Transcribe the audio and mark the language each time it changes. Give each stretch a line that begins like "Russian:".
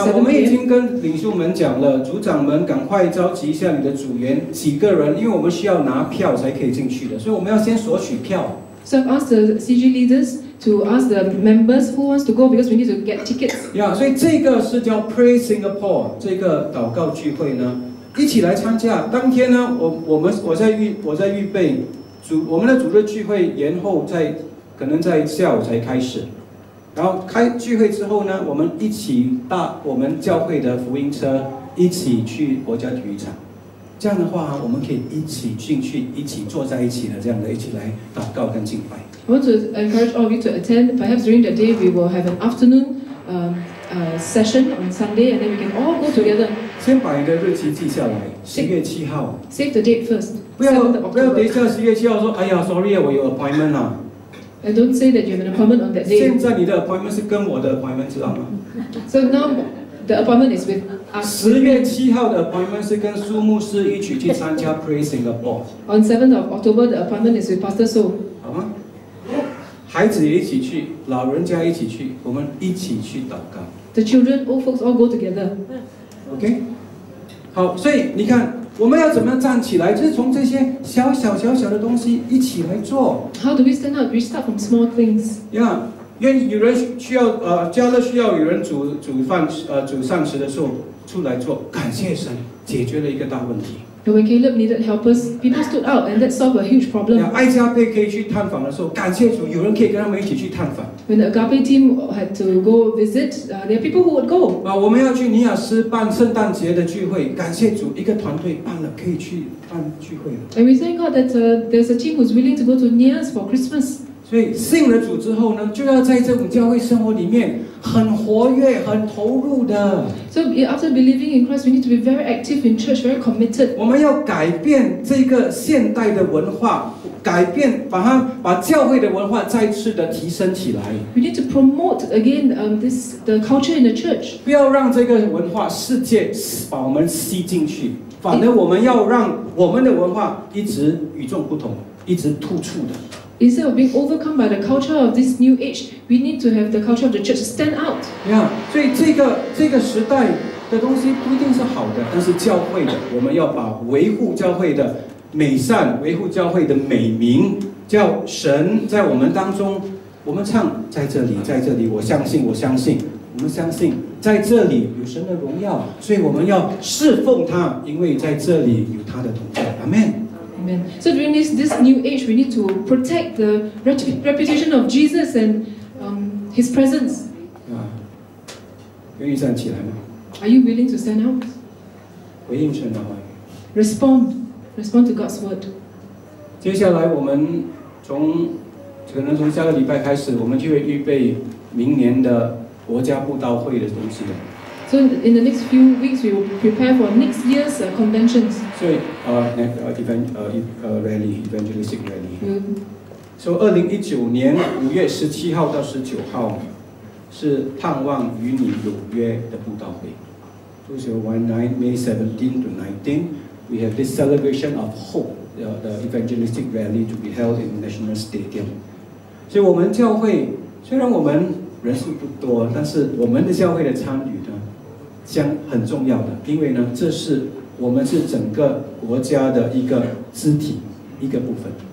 Chinese: 那我们已经跟领袖们讲了，组长们赶快召集一下你的组员几个人，因为我们需要拿票才可以进去的，所以我们要先索取票。
English: So I've asked the CG leaders. To ask the members who wants to go because we need to get tickets.
Chinese: Yeah, 所以这个是叫 Pray Singapore 这个祷告聚会呢，一起来参加。当天呢，我们的主日聚会延后在可能在下午才开始，然后开聚会之后呢，我们一起搭我们教会的福音车一起去国家体育场。这样的话，我们可以一起进去，一起坐在一起的，这样的一起来祷告跟敬拜。
English: I want to encourage all of you to attend. Perhaps during the day, we will have an afternoon session on Sunday, and then we can all go together.
Chinese: 先把你的日期记下来，十月七号。
English: Save the date first.
Chinese: 不要等一下十月七号说，哎呀 ，sorry 啊，我有 appointment 啊。
English: And don't say that you have an appointment on that day.
Chinese: 现在你的 appointment 是跟我的 appointment 知道吗
English: ？So now the appointment is with.
Chinese: 十月七号的 appointment 是跟苏牧师一起去参加 Pray Singapore.
English: On 7th of October, the appointment is with Pastor So.
Chinese: 好吗？孩子也一起去，老人家一起去，我们一起去祷告。
English: The children, old folks, all go together. OK.
Chinese: 好，所以你看，我们要怎么样站起来？就是从这些小小的东西一起来做。
English: How do we stand up? We start from small things. Yeah.
Chinese: 因为有人需要，家乐需要有人煮饭，煮膳食的时候出来做，感谢神解决了一个大问题。
English: When Caleb needed helpers, people stood out and that solved a huge problem.
Chinese: 爱家贝可以去探访的时候，感谢主，有人可以跟他们一起去探访。
English: When the Agape team had to go visit, there are people who would go.
Chinese: 我们要去尼亚斯办圣诞节的聚会，感谢主，一个团队办了，可以去办聚会了。
English: And we thank God that there's a team who's willing to go to Nia's for Christmas.
Chinese: 所以信了主之后呢，就要在这种教会生活里面很活跃，很投入的。
English: So after believing in Christ, we need to be very active in church, very committed.
Chinese: 我们要改变这个现代的文化，改变把教会的文化再次的提升起来。
English: We need to promote again the culture in the church.
Chinese: 不要让这个文化世界把我们吸进去，反而我们要让我们的文化一直与众不同，一直突出的。
English: Instead of being overcome by the culture of this new age, we need to have the culture of the church stand out.
Chinese: Yeah, 所以这个时代的东西不一定是好的，但是教会的，我们要把维护教会的美善、维护教会的美名，叫神在我们当中，我们唱在这里，在这里，我相信，我相信，我们相信在这里有神的荣耀，所以我们要侍奉他，因为在这里有他的同在。
English: Amen. Amen. So during this new age, we need to protect the reputation of Jesus and His presence.
Chinese: 愿意站起来吗？
English: Are you willing to stand out?
Chinese: 回应神的话语。
English: Respond to God's word.
Chinese: 接下来我们可能从下个礼拜开始，我们就会预备明年的国家布道会的东西了。
English: So in the next few weeks, we will prepare for next year's conventions. So, rally, evangelistic rally.
Chinese: So, 2019年5月17号到19号是盼望与你有约的布道会。
English: May 17 to 19, we have this celebration of hope, the evangelistic rally to be held in National Stadium.
Chinese: So, 我们教会虽然我们人数不多，但是我们的教会的参与呢？将很重要的，因为呢，这是我们是整个国家的一个肢体，一个部分。